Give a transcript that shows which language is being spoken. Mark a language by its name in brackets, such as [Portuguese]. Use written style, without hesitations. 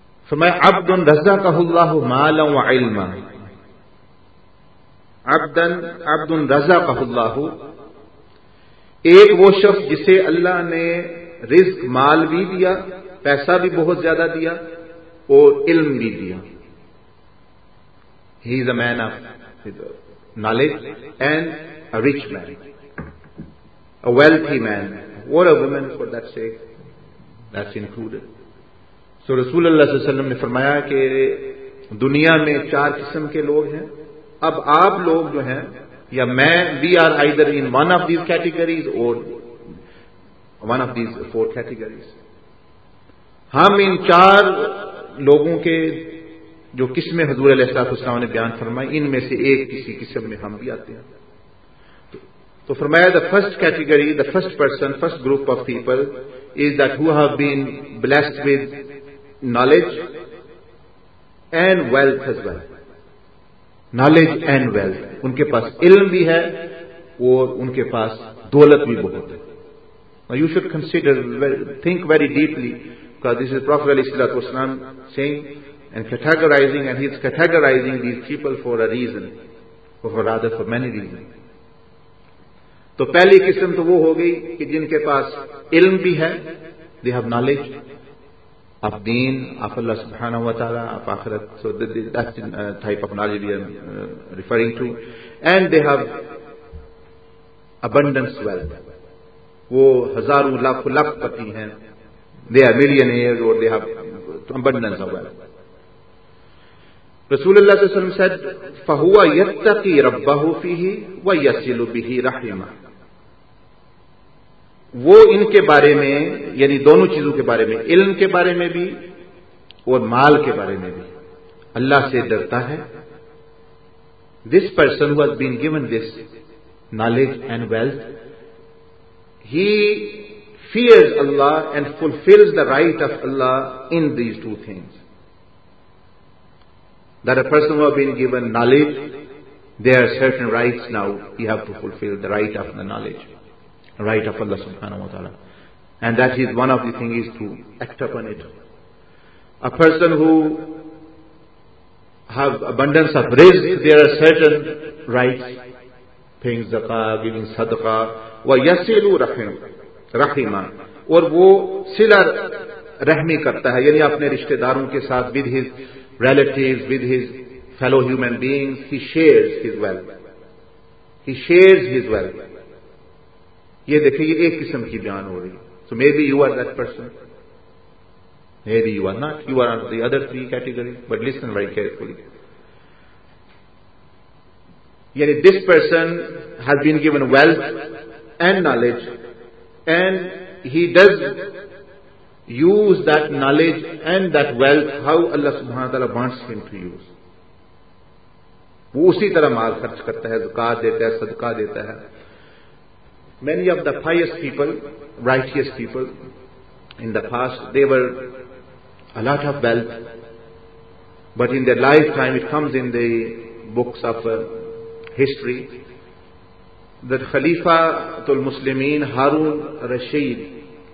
[Urdu] فرمایا [Arabic] عبد رزقہ اللہ مالا وعلما, عبد رزقہ اللہ, [Urdu] ایک وہ شخص جسے اللہ نے رزق مال بھی دیا, پیسہ بھی بہت زیادہ دیا اور علم بھی دیا. [English] He is a man of knowledge and a rich man, a wealthy man, or a woman for that sake, that's included. [Urdu] So Rasulullah صلی اللہ علیہ وسلم نے فرمایا کہ دنیا میں چار قسم کے لوگ ہیں. اب آپ لوگ جو ہیں یا میں, [English] we are either in one of these categories or one of these four categories. [Urdu] ہم ان چار لوگوں کے جو قسمیں حضور علیہ السلام نے بیان فرمائی, ان میں سے ایک کسی قسم میں ہم بھی آتے ہیں. [English] So for me, the first category, the first person, first group of people is that who have been blessed with knowledge and wealth as well. Knowledge and wealth. [Urdu] Unke paas ilm bhi hai aur unke paas daulat bhi bahut hai. [English] Now you should consider, think very deeply, because this is Prophet Ali Sallallahu Alaihi Wasallam saying and categorizing, and he is categorizing these people for a reason, or rather for many reasons. [Urdu] تو پہلی قسم تو وہ ہو گئی کہ جن کے پاس علم بھی ہے, [English] they have knowledge of دین, of Allah سبحانہ وتعالی, of آخرت, so that's the type of knowledge we are referring to, and they have abundance wealth. [Urdu] وہ ہزاروں لاکھوں لاکھ پتی ہیں, [English] they are millionaires or they have abundance of wealth. [Arabic] رسول اللہ صلی اللہ علیہ وسلم said, فَهُوَ يَتَّقِي رَبَّهُ فِيهِ وَيَسِلُ بِهِ رَحِمَا. [Urdu] وہ ان کے بارے میں, یعنی دونوں چیزوں کے بارے میں, علم کے بارے میں بھی اور مال کے بارے میں بھی, اللہ سے ڈرتا ہے. [English] This person who has been given this knowledge and wealth, he fears Allah and fulfills the right of Allah in these two things. That a person who has been given knowledge, there are certain rights now he have to fulfill, the right of the knowledge. Right of Allah subhanahu wa ta'ala. And that is one of the things is to act upon it. A person who have abundance of rizq, there are certain rights, paying zakah, giving sadaqah, [Arabic] wa yasilu rahima. [Urdu] Aur wo sila rahmi karta hai, yani apne rishte daron ke saath, [English] with his relatives, with his fellow human beings, he shares his wealth. He shares his wealth. [Urdu] یہ دیکھیں, یہ ایک قسم کی بیان ہو رہی ہے. [English] So may be you are that person, may be you are not, you are on the other three category, but listen very carefully. یعنی this person has been given wealth and knowledge, and he does use that knowledge and that wealth how Allah سبحانہ تعالیٰ wants him to use. [Urdu] وہ اسی طرح مال خرچ کرتا ہے, زکات دیتا ہے, صدقہ دیتا ہے. [English] Many of the pious people, righteous people, in the past, they were a lot of wealth, but in their lifetime, it comes in the books of history, that Khalifa tul Muslimin Harun Rashid,